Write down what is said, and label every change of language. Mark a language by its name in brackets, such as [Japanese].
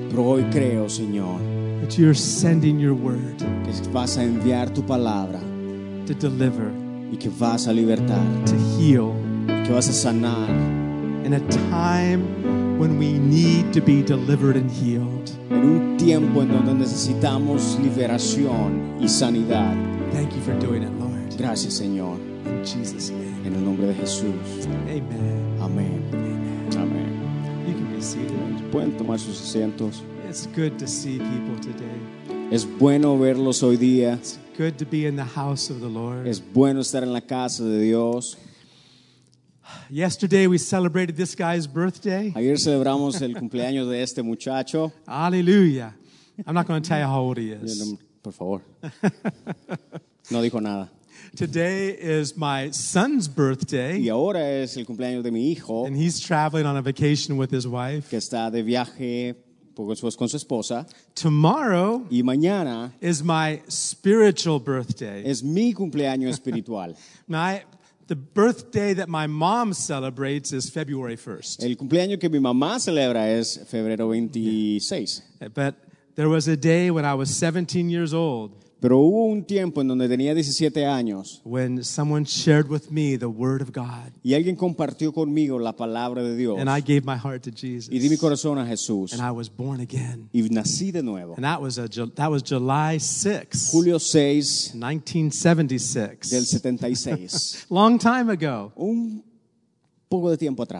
[Spanish] pero hoy creo, Señor, [English] that you're sending your word, [Spanish] que vas a enviar tu palabra, [English] to deliver, [Spanish] y que vas a libertar, [English] to heal, [Spanish] y que vas a sanar, [English] in a time when we need to be delivered and healed. [Spanish] En un tiempo en donde necesitamos liberación y sanidad. [English] Thank you for doing it, Lord. [Spanish] Gracias, Señor. [English] In Jesus' name. [Spanish] En el nombre de Jesús. [English] Amen. [Spanish] Amén. [English] Amen. You can be seated. [Spanish] Pueden tomar sus asientos. [English] It's good to see people today. [Spanish] Es bueno verlos hoy día. [English] It's good to be in the house of the Lord. [Spanish] Es bueno estar en la casa de Dios. [English] Yesterday we celebrated this guy's birthday. [Spanish] Ayer celebramos el cumpleaños de este muchacho. [English] Hallelujah. I'm not going to tell you how old he is. [Spanish] Por favor. No dijo nada. [English] Today is my son's birthday. [Spanish] Y ahora es el cumpleaños de mi hijo. [English] And he's traveling on a vacation with his wife. [Spanish] Que está de viaje con su esposa. [English] Tomorrow, [Spanish] y mañana, [English] is my spiritual birthday. [Spanish] Es mi cumpleaños espiritual. [English] The birthday that my mom celebrates is February 1st. [Spanish] El cumpleaños que mi mamá celebra es febrero 26. [English] But there was a day when I was 17 years old. [Spanish] Pero hubo un tiempo en donde tenía 17 años. [English] When someone shared with me the word of God. [Spanish] Y alguien compartió conmigo la palabra de Dios. [English] And I gave my heart to Jesus. [Spanish] Y di mi corazón a Jesús. [English] And I was born again. [Spanish] Y nací de nuevo. [English] And that was July 6th. [Spanish] Julio 6, [English] 1976. [Spanish] Del 76. [English] Long time ago. [Spanish] Un poco de tiempo atrás.